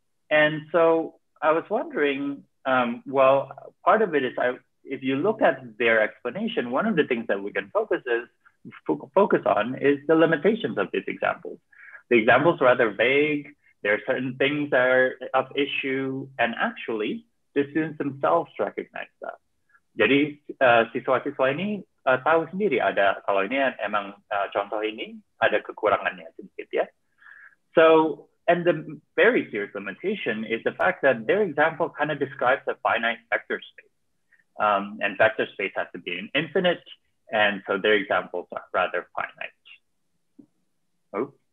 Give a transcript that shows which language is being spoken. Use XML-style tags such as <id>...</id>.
<en>And so I was wondering, well, part of it is if you look at their explanation, one of the things that we can focus on is the limitations of these examples. The examples are rather vague. There are certain things that are of issue, and actually the students themselves recognize that.</en> <id>Jadi siswa-siswa ini tahu sendiri ada kalau ini emang contoh ini ada kekurangannya sedikit ya.</id> <en>So, and the very serious limitation is the fact that their example kind of describes a finite vector space. And vector space has to be an infinite, and so their examples are rather finite. Oh.</en>